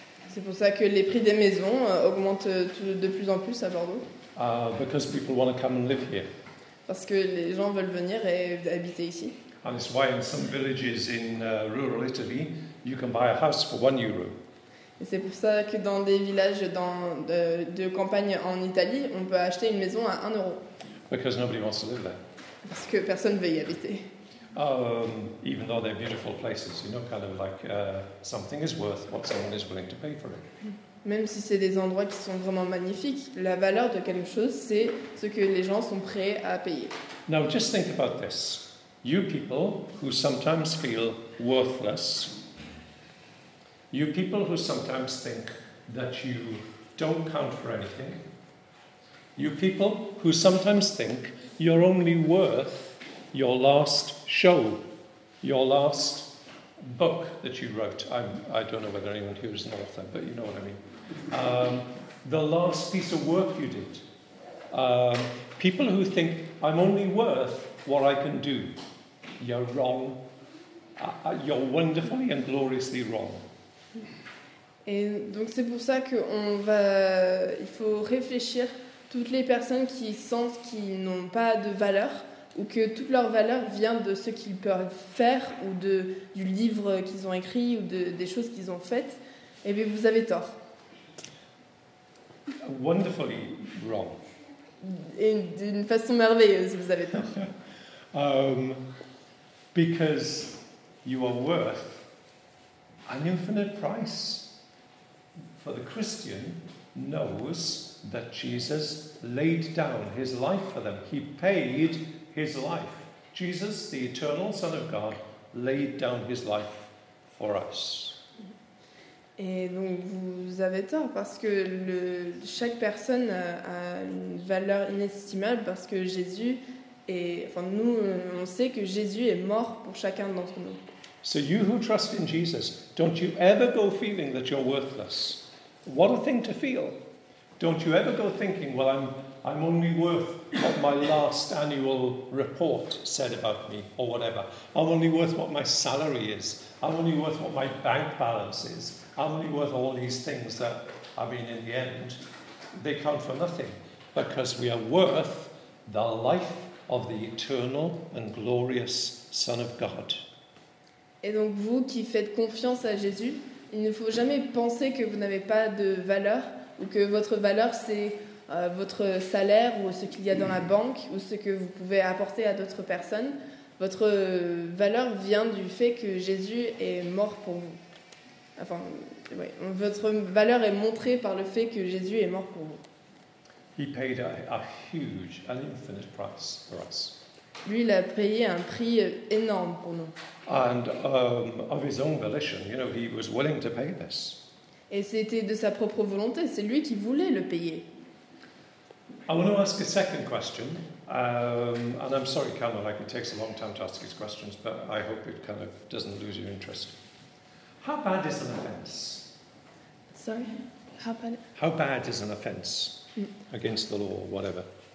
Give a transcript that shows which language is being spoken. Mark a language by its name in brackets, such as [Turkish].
[French] C'est pour ça que les prix des maisons augmentent de plus en plus à Bordeaux. [English] Because people want to come and live here. [French] Parce que les gens veulent venir et habiter ici. [English] And it's why in some villages in rural Italy, you can buy a house for 1 euro. [French] Et c'est pour ça que dans des villages de campagne en Italie, on peut acheter une maison à 1 euro. [English] Because nobody wants to live there. [French] Parce que personne veut y habiter. [English] Even though they're beautiful places, you know, kind of like something is worth what someone is willing to pay for it. [French] Même si c'est des endroits qui sont vraiment magnifiques, la valeur de quelque chose, c'est ce que les gens sont prêts à payer. [English] Now, just think about this. You people who sometimes feel worthless, you people who sometimes think that you don't count for anything, you people who sometimes think you're only worth your last show, your last book that you wrote. I don't know whether anyone here is an author, but you know what I mean. The last piece of work you did. People who think, I'm only worth what I can do. You're wrong. You're wonderfully and gloriously wrong. [French] Et donc c'est pour ça qu'on va... Il faut réfléchir toutes les personnes qui sentent qu'ils n'ont pas de valeur, ou que toute leur valeur vient de ce qu'ils peuvent faire, ou du livre qu'ils ont écrit, ou des choses qu'ils ont faites, eh bien, vous avez tort. [English] Wonderfully wrong. [French] Et d'une façon merveilleuse, vous avez tort. [English] Because you are worth an infinite price. For the Christian, knows that Jesus laid down his life for them. He paid his life. Jesus, the eternal Son of God, laid down his life for us. [French] Et donc vous avez tort parce que chaque personne a une valeur inestimable parce que Jésus est, enfin nous on sait que Jésus est mort pour chacun d'entre nous. [English] So you who trust in Jesus, don't you ever go feeling that you're worthless? What a thing to feel! Don't you ever go thinking, well, I'm only worth what my last annual report said about me or whatever. I'm only worth what my salary is. I'm only worth what my bank balance is. I'm only worth all these things that, I mean, in the end, they count for nothing. Because we are worth the life of the eternal and glorious Son of God. [French] Et donc vous qui faites confiance à Jésus, il ne faut jamais penser que vous n'avez pas de valeur ou que votre valeur c'est votre salaire ou ce qu'il y a dans la banque ou ce que vous pouvez apporter à d'autres personnes. Votre valeur vient du fait que Jésus est mort pour vous. Enfin, oui. Votre valeur est montrée par le fait que Jésus est mort pour vous. [English] He paid a huge, an infinite price for us. [French] Lui, il a payé un prix énorme pour nous. [English] And of his own volition, you know, he was willing to pay this. [French] Et c'était de sa propre volonté. C'est lui qui voulait le payer. [English] I want to ask a second question. And I'm sorry, Carmel, like it takes a long time to ask these questions, but I hope it kind of doesn't lose your interest. How bad is an offense? Sorry? How bad? How bad is an offense against the law or whatever?